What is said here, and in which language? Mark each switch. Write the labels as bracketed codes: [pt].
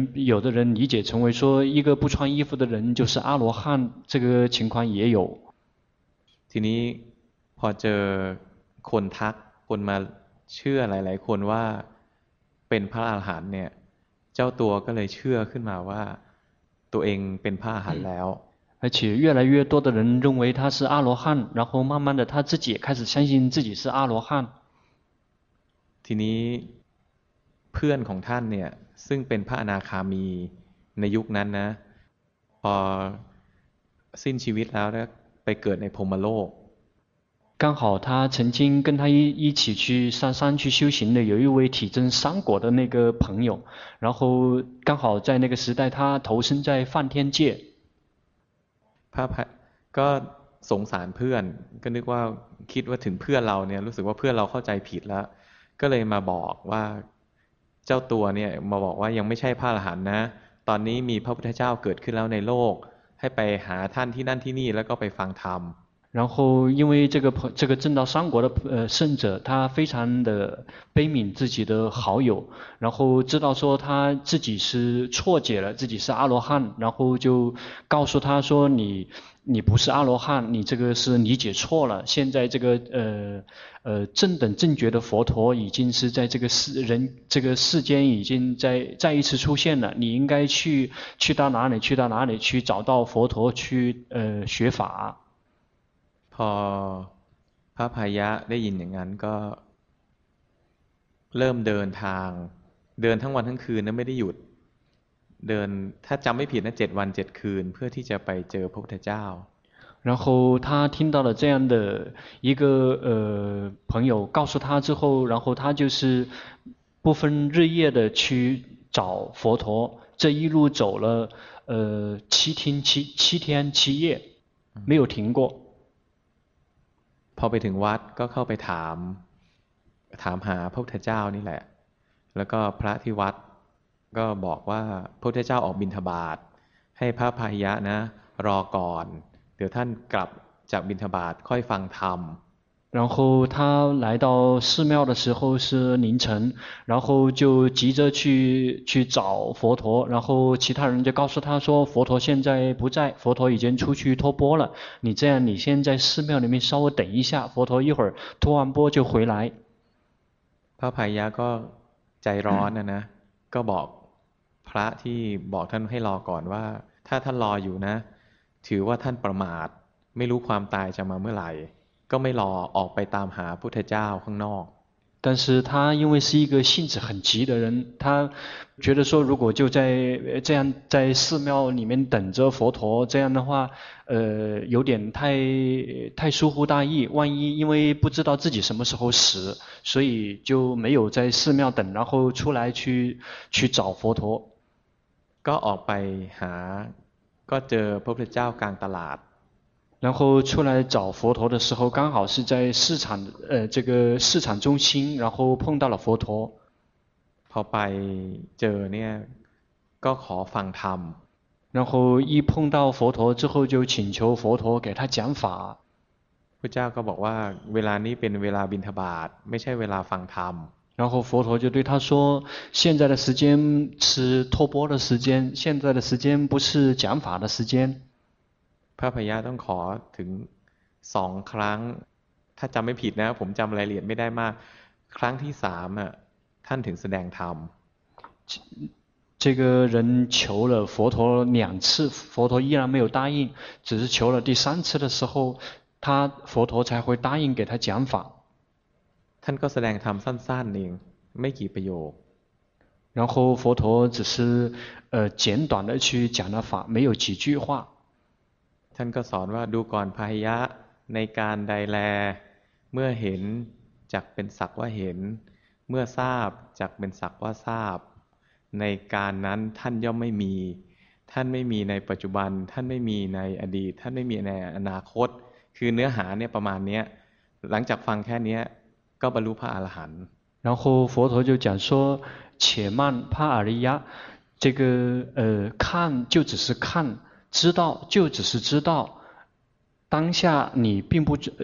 [zh] 有的人理解成为说一个不穿衣服的人就是阿罗汉这个情况也有 [th] ทีนี้พอเจอคนทักคนมาเชื่อหลายๆคนว่าเป็นพระอรหันต์เนี่ยเจ้าตัวก็เลยเชื่อขึ้นมาว่าตัวเองเป็นพระอรหันต์แล้ว [zh] 而且越来越多的人认为他是阿罗汉然后慢慢的他自己也开始相信自己是阿罗汉 [th] ทีนี้เพื่อนของท่านเนี่ยซึ่งเป็นพระอนาคามีในยุคนั้นนะพอสิ้นชีวิตแล้วแล้วไปเกิดในพรหมโลก [zh] 刚好他曾经跟他一起去上山去修行的有一位体证三果的那个朋友然后刚好在那个时代他投身在梵天界 [th] ก็สงสารเพื่อนก็นึกว่าคิดว่าถึงเพื่อนเราเนี่ยรู้สึกว่าเพื่อนเราเข้าใจผิดแล้วก็เลยมาบอกว่าเจ้าตัวเนี่ยมาบอกว่ายังไม่ใช่พระอรหันต์นะตอนนี้มีพระพุทธเจ้าเกิดขึ้นแล้วในโลกให้ไปหาท่านที่นั่นที่นี่แล้วก็ไปฟังธรรม [zh] 然后因为这个正道三国的圣者他非常的悲悯自己的好友然后知道说他自己是错解了自己是阿罗汉然后就告诉他说你不是阿罗汉你这个是理解错了现在这个正等正觉的佛陀已经是在这个世间已经再一次出现了你应该去到哪里去找到佛陀去学法 [th] พอพระพายะได้ยินอย่างนั้นก็เริ่มเดินทางเดินทั้งวันทั้งคืนนะไม่ได้หยุดเดินถ้าจำไม่ผิดนะ7วัน7คืนเพื่อที่จะไปเจอพระพุทธเจ้า [zh] 然后他听到了这样的一个朋友告诉他之后然后他就是不分日夜的去找佛陀，这一路走了七天七夜，没有停过。 [th] พอไปถึงวัดก็เข้าไปถามหาพระพุทธเจ้านี่แหละแล้วก็พระที่วัดก็บอกว่าพระพุทธเจ้าออกบิณฑบาตให้พระพาหิยะนะรอก่อนเดี๋ยวท่านกลับจากบิณฑบาตค่อยฟังธรรม [zh] 然后他来到寺庙的时候是凌晨然后就急着去找佛陀然后其他人就告诉他说佛陀现在不在佛陀已经出去托钵了你这样你先在寺庙里面稍微等一下佛陀一会儿托完钵就回来 [th] พระพายยะก็ใจร้อนนะนะก็บอกพระที่บอกท่านให้รอก่อนว่าถ้าท่านรออยู่นะถือว่าท่านประมาทไม่รู้ความตายจะมาเมื่อไหร่ก็ไม่รอออกไปตามหาพุทธเจ้าข้างนอก [zh] 但是他因为是一个性子很急的人他觉得说如果就在这样在寺庙里面等着佛陀这样的话有点太疏忽大意万一因为不知道自己什么时候死所以就没有在寺庙等然后出来去找佛陀 [th] ก็ออกไปหาก็เจอพระพุทธเจ้ากลางตลาด [zh] 然后出来找佛陀的时候刚好是在市场这个市场中心然后碰到了佛陀 [th] พอไปเจอเนี่ยก็ขอฟังธรรม [zh] 然后一碰到佛陀之后就请求佛陀给他讲法 [th] พระเจ้าก็บอกว่าเวลานี้เป็นเวลาบิณฑบาตไม่ใช่เวลาฟังธรรม [zh] 然后佛陀就对他说现在的时间是托钵的时间现在的时间不是讲法的时间 [th] พระพยาต้องขอถึง2ครั้งถ้าจำไม่ผิดนะผมจำรายละเอียดไม่ได้มากครั้งที่3อ่ะท่านถึงแสดงธรรม [zh] 这个人求了佛陀两次佛陀依然没有答应只是求了第三次的时候他佛陀才会答应给他讲法 [th] ท่านก็แสดงธรรมสั้นๆเองไม่กี่ประโยค [zh] 然后佛陀只是简短的去讲了法没有几句话 [th] ท่านก็สอนว่าดูก่อนพาหิยะในการใดแลเมื่อเห็นจักเป็นสักว่าเห็นเมื่อทราบจักเป็นสักว่าทราบในการนั้นท่านย่อมไม่มีท่านไม่มีในปัจจุบันท่านไม่มีในอดีตท่านไม่มีในอนาคตคือเนื้อหาเนี่ยประมาณนี้หลังจากฟังแค่นี้ก็บรรลุพระอรหันต์ [zh] 然后佛陀就讲说且慢帕阿利亚这个看就只是看知道就只是知道当下你并不